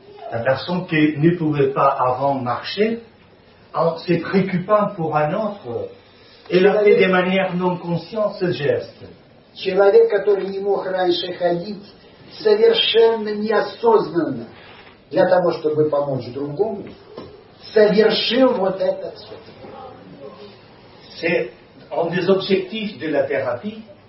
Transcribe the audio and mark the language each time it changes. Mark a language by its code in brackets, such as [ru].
[fr] la personne qui ne pouvait pas avant marcher, en se préoccupant pour un autre, elle a fait de manière non consciente ce geste. [ru] Человек, который не мог раньше ходить, совершенно неосознанно для того, чтобы помочь другому, совершил вот это все. [fr] C'est un des objectifs de la thérapie.